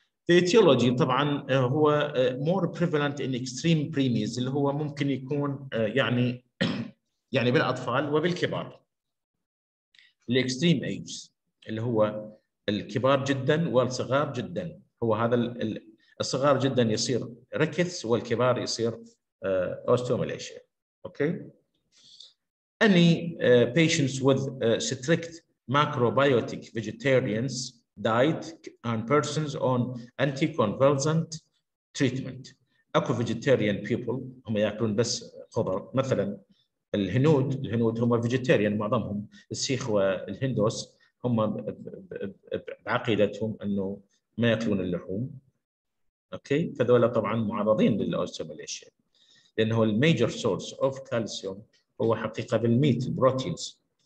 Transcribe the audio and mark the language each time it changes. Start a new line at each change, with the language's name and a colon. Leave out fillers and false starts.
English: The etiology
Arabic: طبعا هو
English: more prevalent in extreme preemies
Arabic: اللي هو ممكن يكون يعني بالأطفال وبالكبار.
English: The extreme age
Arabic: اللي هو الكبار جدا والصغار جدا، هو هذا الصغار جدا يصير rickets والكبار يصير osteomalacia.
English: Okay. Any patients with strict macrobiotic vegetarians diet and persons on anticonvulsant treatment.
Arabic: أكو
English: vegetarian people
Arabic: هم يأكلون بس خضر، مثلا الهنود هم vegetarian معظمهم، السيخ والهندوس هم بعقيدتهم أنه ما يأكلون اللحوم.
English: Okay.
Arabic: فذولا طبعا معرضين للأوستيوميليشيا لأنه
English: major source of calcium
Arabic: هو حقيقة بالميت البروتينز.